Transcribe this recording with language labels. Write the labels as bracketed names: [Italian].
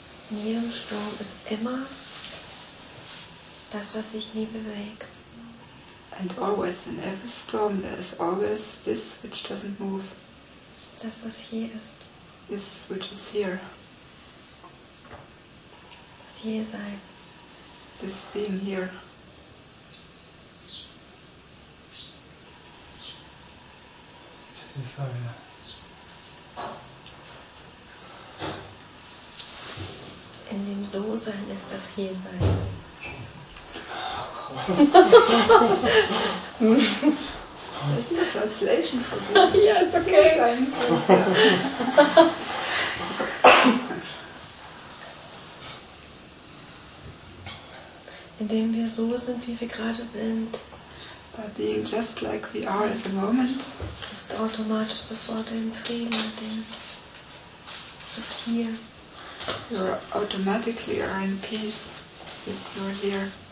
[German] In jedem Sturm ist immer das, was sich nie bewegt. [English] And always, in every storm, there is always this which doesn't move. [German] Das, was hier ist. [English] This which is here. [German] Das Hiersein. [English] This being here. [German] In dem So-Sein ist das Hiersein. Das ist eine Translation für dich. Ach, ja, ist okay. Ja. Indem wir so sind, wie wir gerade sind, [English] by being just like we are at the moment, [German] ist automatisch sofort im Frieden mit dem, was hier. [English] You automatically are in peace, is your here.